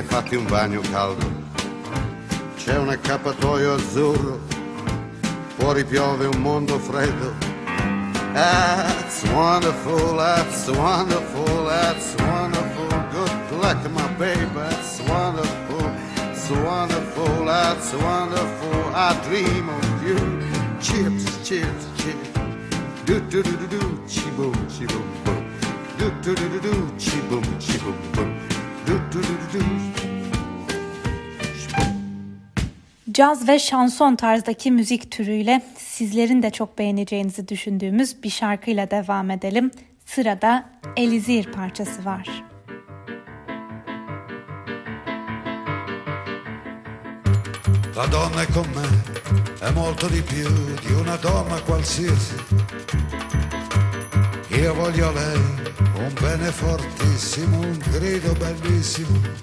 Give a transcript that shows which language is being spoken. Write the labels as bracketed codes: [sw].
[it] Un bagno caldo, c'è un accappatoio azzurro, fuori piove un mondo freddo. [en] That's wonderful, that's wonderful, that's wonderful. Good luck, my baby. That's wonderful, it's wonderful, that's wonderful. I dream of you. Chips, chips, chips, do do do do do, chibum chibum, do do do do do, chibum chibum, do do do do do. [tr] Caz ve şanson tarzdaki müzik türüyle sizlerin de çok beğeneceğinizi düşündüğümüz bir şarkıyla devam edelim. Sırada Elizir parçası var. [it] La donna è con me, è molto di più di una donna qualsiasi. Io voglio lei, un bene fortissimo, un grido bellissimo.